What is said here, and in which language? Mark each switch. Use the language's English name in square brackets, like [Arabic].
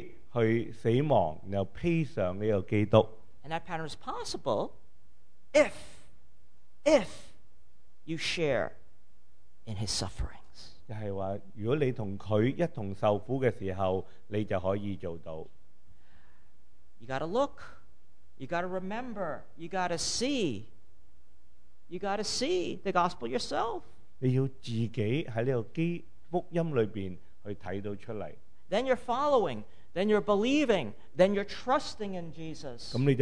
[Chinese] 他说你去对自己去死亡，然后披上这个基督。 [English] And that pattern is possible if you share in his suffering. [Chinese] 就是说如果你跟他一同受苦的时候，你就可以做到。 [English] You gotta look, you gotta remember, you gotta see the gospel yourself. [Chinese] 你要自己在这个福音里面去看到出来。 [English] Then you're following, then you're believing, then you're trusting in Jesus.